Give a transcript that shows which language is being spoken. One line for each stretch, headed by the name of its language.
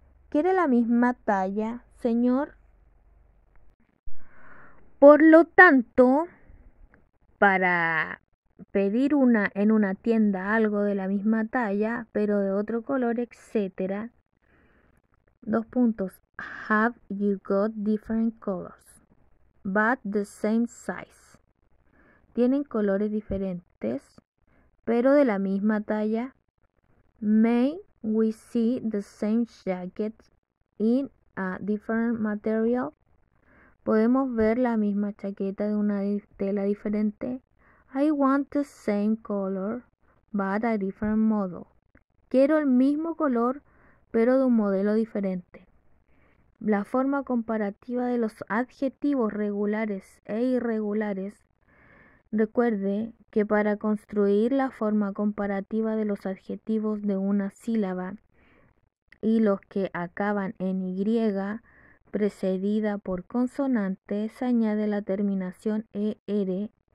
Spanish: ¿Quiere la misma talla, señor? Por lo tanto, para pedir una en una tienda algo de la misma talla, pero de otro color, etcétera. Dos puntos.
English: Have you got different colors, but the same size?
Spanish: ¿Tienen colores diferentes, pero de la misma talla?
English: May we see the same jacket in a different material?
Spanish: ¿Podemos ver la misma chaqueta de una tela diferente?
English: I want the same color, but a different model.
Spanish: Quiero el mismo color, pero de un modelo diferente. La forma comparativa de los adjetivos regulares e irregulares. Recuerde que para construir la forma comparativa de los adjetivos de una sílaba y los que acaban en Y precedida por consonante, se añade la terminación ER.